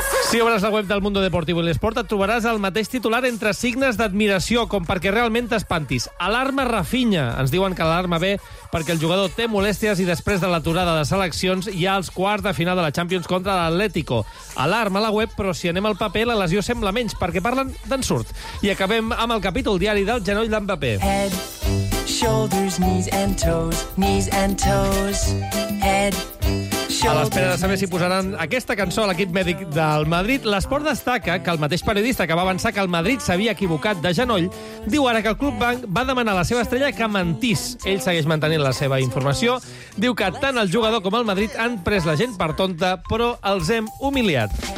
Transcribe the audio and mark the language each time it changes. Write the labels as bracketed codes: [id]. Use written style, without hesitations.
[ca] Si obres la web del Mundo Deportivo y el Sport, et trobaràs el mateix titular entre signes d'admiració, com perquè realment t'espantis. Alarma Rafinha. Ens diuen que l'alarma ve perquè el jugador té molèsties i després de l'aturada de seleccions hi ha els quarts de final de la Champions contra l'Atlético. Alarma a la web, però si anem al paper, la lesió sembla menys, perquè parlen d'ensurt. I acabem amb el capítol diari del genoll d'en Mbappé. [en] Head, shoulders, knees and toes, knees and toes, head. [ca] A l'espera de saber si posaran aquesta cançó a l'equip mèdic del Madrid, l'Esport destaca que el mateix periodista que va avançar que el Madrid s'havia equivocat de genoll diu ara que el club blanc va demanar a la seva estrella que mentís. Ell segueix mantenint la seva informació. Diu que tant el jugador com el Madrid han pres la gent per tonta, però els hem humiliat.